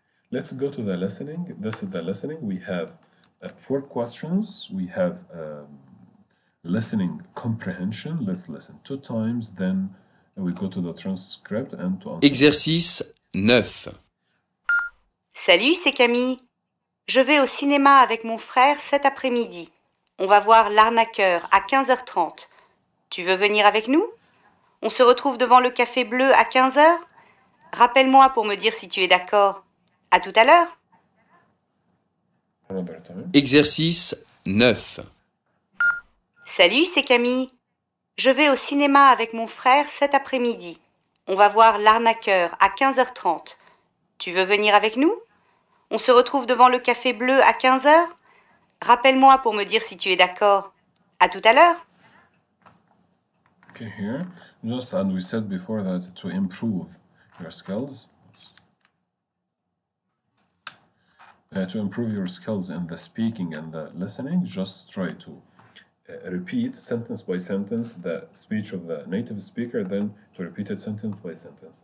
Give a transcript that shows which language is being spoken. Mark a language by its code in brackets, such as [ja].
[en] Let's go to the listening. This is the listening. We have four questions. We have listening comprehension. Let's listen two times, then we go to the transcript and to answer. [fr] Exercice 9. Salut, c'est Camille. Je vais au cinéma avec mon frère cet après-midi. On va voir L'Arnaqueur à 15h30. Tu veux venir avec nous? On se retrouve devant le Café Bleu à 15h? Rappelle-moi pour me dire si tu es d'accord. À tout à l'heure. Exercice 9. Salut, c'est Camille. Je vais au cinéma avec mon frère cet après-midi. On va voir L'Arnaqueur à 15h30. Tu veux venir avec nous? On se retrouve devant le Café Bleu à 15h? Rappelle-moi pour me dire si tu es d'accord. À tout à l'heure. [en] Okay, here, just as we said before that to improve your skills. To improve your skills in the speaking and the listening, just try to repeat sentence by sentence the speech of the native speaker, then to repeat it sentence by sentence.